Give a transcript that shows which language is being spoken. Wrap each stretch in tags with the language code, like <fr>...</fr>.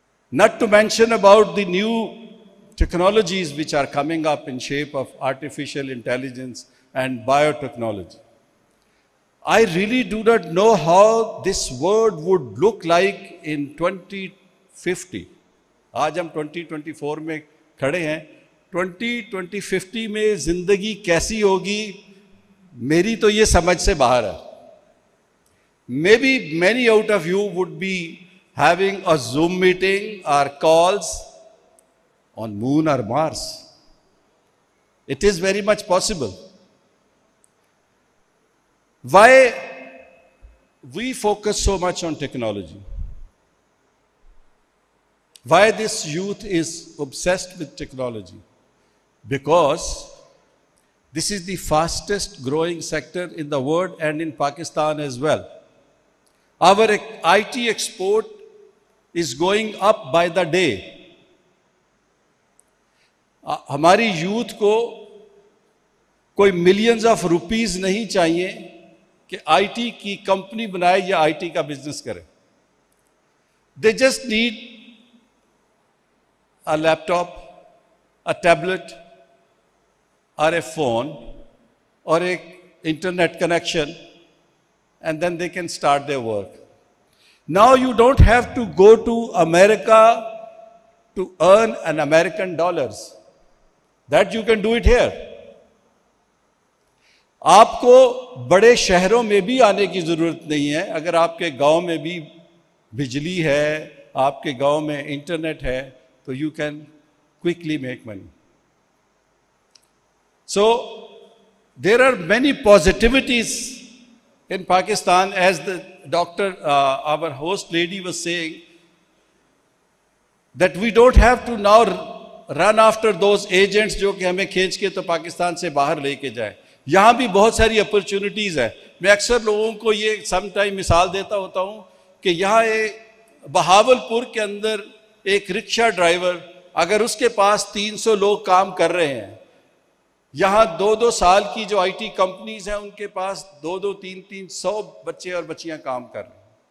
<en>Not to mention about the new technologies which are coming up in shape of artificial intelligence and biotechnology. I really do not know how this world would look like in 2050.</en> <hi>आज हम 2024 में खड़े हैं, 2050 में जिंदगी कैसी होगी मेरी तो ये समझ से बाहर है.</hi> <en>May be many out of you would be having a Zoom meeting or calls on moon or Mars. It is very much possible. Why we focus so much on technology? Why this youth is obsessed with technology? Because this is the fastest growing sector in the world and in Pakistan as well. Our IT export is going up by the day.</en> <hi>Hamari youth ko koi</hi> <en>millions of rupees</en> <hi>nahi chahiye ki IT ki company banaye ya IT ka business kare.</hi> <en>They just need a laptop, a tablet, or a phone, or an internet connection, and then they can start their work. Now you don't have to go to America to earn an American dollars. That you can do it here.</en> <hi>आपको बड़े शहरों में भी आने की जरूरत नहीं है. अगर आपके गांव में भी बिजली है, आपके गांव में इंटरनेट है,</hi> <en>so you can quickly make money. So there are many positivities in Pakistan, as the doctor, our host lady was saying, that we don't have to now run after those agents</en> <hi>jo ki hame khench ke to Pakistan se bahar leke jaye. Yahan bhi bahut sari opportunities hai. Main aksar logon ko ye sometime misal deta hota hu ki yahan Bahawalpur ke andar एक rickshaw driver, अगर उसके पास 300 लोग काम कर रहे हैं, यहाँ दो दो साल की जो आईटी कंपनीज हैं उनके पास दो दो तीन तीन सौ बच्चे और बच्चियां काम कर रहे हैं.</hi>